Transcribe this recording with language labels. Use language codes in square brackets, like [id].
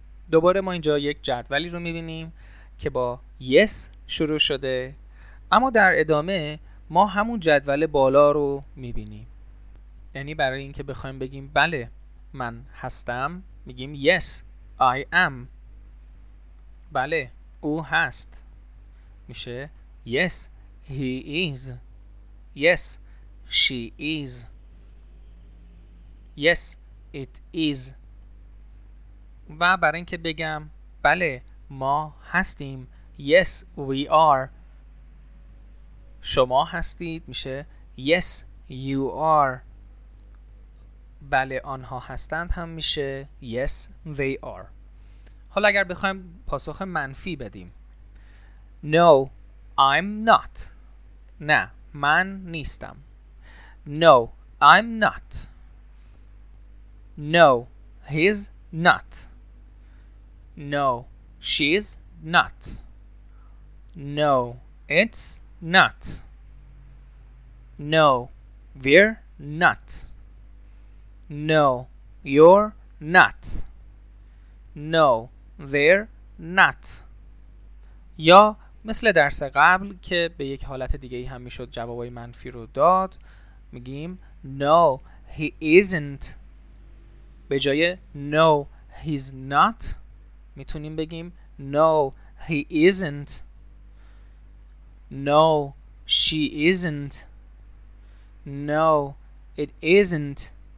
[fa] دوباره ما اینجا یک جدولی رو میبینیم که با yes شروع شده، اما در ادامه ما همون جدول بالا رو میبینیم. یعنی برای اینکه بخوایم بگیم بله من هستم، میگیم [en] yes I am. [fa] بله او هست میشه [en] yes he is، yes she is، Yes, it is. [fa] و برای این که بگم بله ما هستیم، [en] Yes, we are. [fa] شما هستید میشه [en] Yes, you are. [fa] بله آنها هستند هم میشه [en] Yes, they are. [fa] حالا اگر بخوایم پاسخ منفی بدیم، [en] No, I'm not. [fa] نه من نیستم. [en] No, I'm not. No, he's not. No, she's not. No, it's not. No, we're not. No, you're not. No, they're not. [fa] یا مثل درس قبل که به یک حالت دیگه ای هم میشد جوابای منفی رو داد، میگیم [en] No, he isn't. [fa] به جای [en] No, he's not [fa] میتونیم بگیم [en] No, he isn't. No, she isn't. No, it isn't.